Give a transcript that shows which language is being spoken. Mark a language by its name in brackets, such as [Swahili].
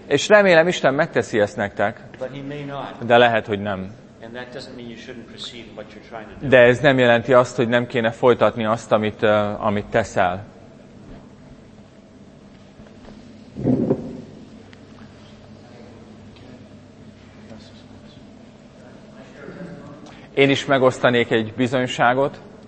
[Hungarian] És remélem, Isten megteszi ezt nektek. [English] But he may not. [Hungarian] De lehet, hogy nem. [English] And that doesn't mean you shouldn't proceed what you're trying to do. [Hungarian] De ez nem jelenti azt, hogy nem kéne folytatni azt, amit teszel. Én is megosztanék egy bizonyságot.